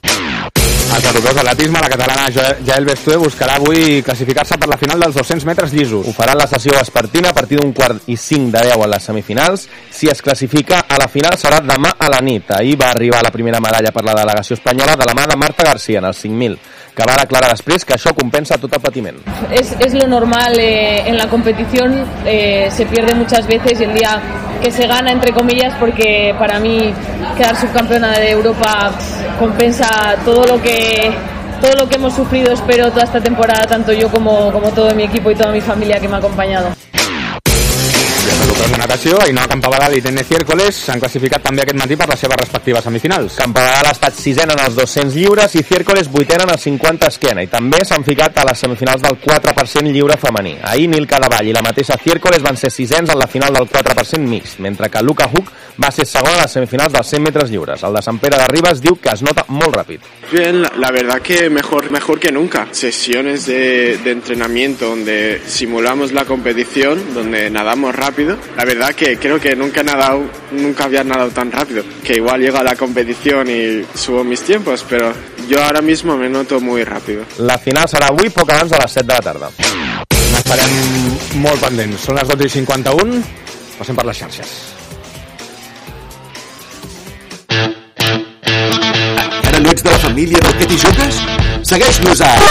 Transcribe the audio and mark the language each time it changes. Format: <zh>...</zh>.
<ca>Els jugadors de l'atletisme, la catalana Jael Bestué buscarà avui classificar-se per la final dels 200 metres llisos. Ho farà la sessió vespertina a partir d'un quart i cinc de deu a les semifinals. Si es classifica a la final serà demà a la nit. Ahir va arribar la primera medalla per la delegació espanyola de la mà de Marta García en els 5.000, que va declarar després que això compensa tot el patiment.</ca> <es>Es lo normal en la competición, se pierde muchas veces y el día que se gana, entre comillas, porque para mí quedar subcampeona de Europa compensa todo lo que hemos sufrido, espero, toda esta temporada, tanto yo como todo mi equipo y toda mi familia que me ha acompañado.</es> <ca>De natació, Ainhoa Campabadal i Tene Ciércoles s'han classificat també aquest matí per les seves respectives semifinals. Campabadal ha estat sisena en els 200 lliures i Ciércoles vuitena en els 50 esquena i també s'han ficat a les semifinals del 4% lliure femení. Ahir Nil Cadavall i la mateixa Ciércoles van ser sisens en la final del 4% mix, mentre que Luca Huck va ser segon a les semifinals dels 100 metres lliures. El de Sant Pere de Ribes diu que es nota molt ràpid.</ca> <es>Bien, la verdad que mejor que nunca. Sesiones de entrenamiento donde simulamos la competición, donde nadamos rápido. La verdad que creo que nunca había nadado tan rápido. Que igual llego a la competición y subo mis tiempos, pero yo ahora mismo me noto muy rápido.</es> <ca>La final serà avui poc abans de les 7 de la tarda. Estarem molt pendents. Són les 12:51. Passem per les xarxes. Encara no ets de la família del Peti Jogues? Segueix-nos a...</ca>